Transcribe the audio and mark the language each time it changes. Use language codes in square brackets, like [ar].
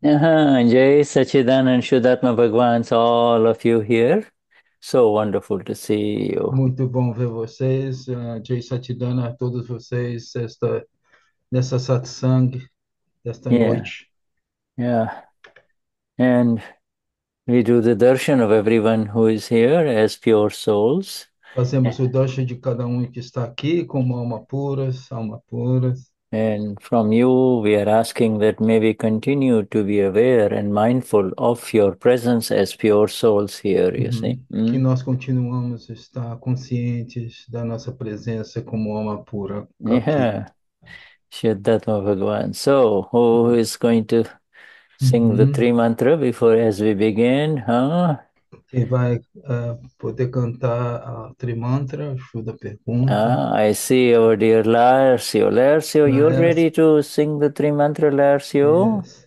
[en] Jai Sachidananda Shudatma Bhagwan, all of you here. So wonderful to see you. [pt] Muito bom ver vocês, Jay Satidana, a todos vocês, nessa satsang, desta noite. [en] And we do the darshan of everyone who is here as pure souls. [pt] Fazemos o darshan de cada um que está aqui, como alma pura. [en] And from you, we are asking that may we continue to be aware and mindful of your presence as pure souls here, you see. [pt] Que nós continuamos a estar conscientes da nossa presença como alma pura aqui. [gu] Shuddhatma Bhagwan. [en] So, who is going to sing the three mantra before as we begin, huh? [pt] Quem vai poder cantar a trimantra, ajuda a pergunta. [en] Ah, I see, oh dear Laércio. Laércio, you're ready to sing the three mantra, Laércio?